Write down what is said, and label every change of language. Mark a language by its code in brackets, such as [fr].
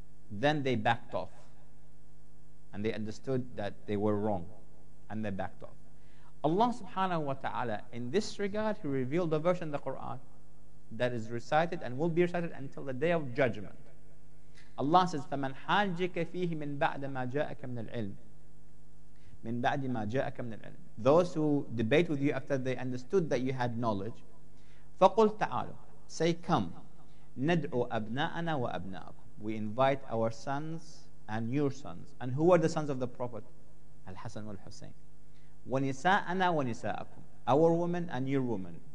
[en] Then they backed off. And they understood that they were wrong. And they backed off. Allah subhanahu wa ta'ala, in this regard, he revealed a verse in the Quran that is recited and will be recited until the day of judgment. Allah says, [ar] فَمَنْ حَاجِكَ فِيهِ مِنْ بَعْدَ مَا جَاءَكَ مِنَ الْعِلْمِ مِنْ بَعْدِ مَا جَاءَكَ مِنَ الْعِلْمِ. [en] Those who debate with you after they understood that you had knowledge, [ar] فَقُلْ تَعَالُ, [en] say, come, [ar] نَدْعُ أَبْنَاءَنَا وَأَبْنَاءَكُمْ, [en] we invite our sons and your sons. And who are the sons of the Prophet? Al-Hasan wal-Husayn. [ar] وَنِسَاءَنَا وَنِسَاءَكُمْ, [en] our woman and your woman.